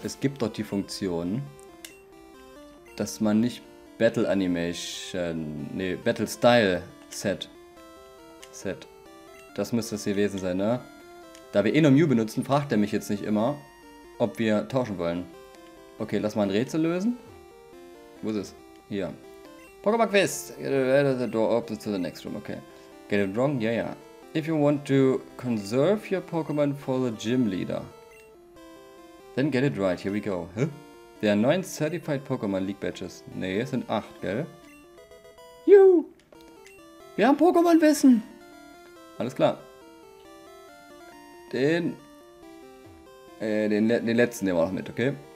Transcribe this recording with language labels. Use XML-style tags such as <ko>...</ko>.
<de>Es gibt dort die Funktion, dass man nicht Battle Animation, nee, Battle Style Set. Das müsste es gewesen sein, ne? Da wir eh nur Mew benutzen, fragt er mich jetzt nicht immer, ob wir tauschen wollen. Okay, lass mal ein Rätsel lösen. Wo ist es? Hier. Pokémon Quiz!</de> <en>The door opens to the next room, okay. Get it wrong?</en> <de>Ja, ja.</de> <en>If you want to conserve your Pokémon for the gym leader, then get it right, here we go. Huh? There are 9 certified Pokémon League Badges.</en> <de>Nee, es sind 8, gell? Juhu! Wir haben Pokémon Wissen! Alles klar. Den letzten nehmen wir noch mit, okay?</de>